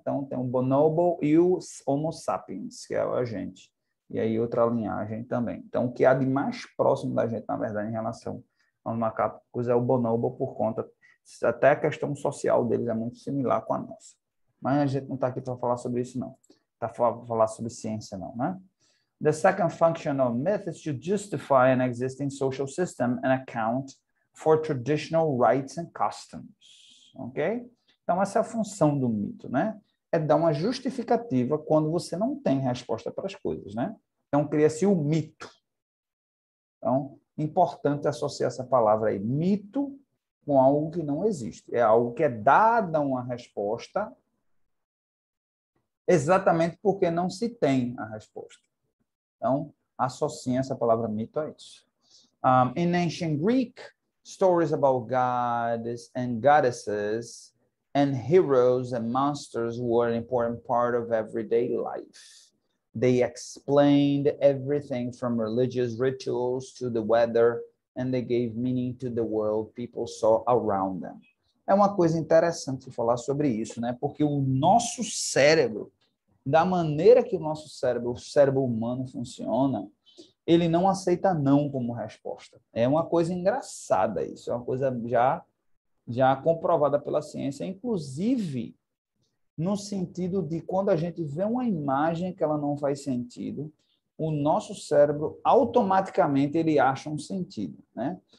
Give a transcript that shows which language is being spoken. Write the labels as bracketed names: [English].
[Portuguese] Então, tem o bonobo e o homo sapiens, que é a gente. E aí, outra linhagem também. Então, o que há de mais próximo da gente, na verdade, em relação aos macacos, é o bonobo, por conta, até a questão social deles é muito similar com a nossa. Mas a gente não está aqui para falar sobre isso, não. Está para falar sobre ciência, não, né? [English] The second function of myth is to justify an existing social system and account for traditional rights and customs. Ok? [Portuguese] Então, essa é a função do mito, né? É dar uma justificativa quando você não tem resposta para as coisas, né? Então, cria-se o mito. Então, importante associar essa palavra aí, mito, com algo que não existe. É algo que é dada uma resposta exatamente porque não se tem a resposta. Então, associa essa palavra mito a isso. [English] In ancient Greek, stories about gods and goddesses and heroes and monsters were an important part of everyday life. They explained everything from religious rituals to the weather, and they gave meaning to the world people saw around them. [Portuguese] É uma coisa interessante falar sobre isso, né? Porque o nosso cérebro, da maneira que o cérebro humano funciona, ele não aceita não como resposta. É uma coisa engraçada isso, é uma coisa já comprovada pela ciência, inclusive no sentido de quando a gente vê uma imagem que ela não faz sentido, o nosso cérebro automaticamente ele acha um sentido, né?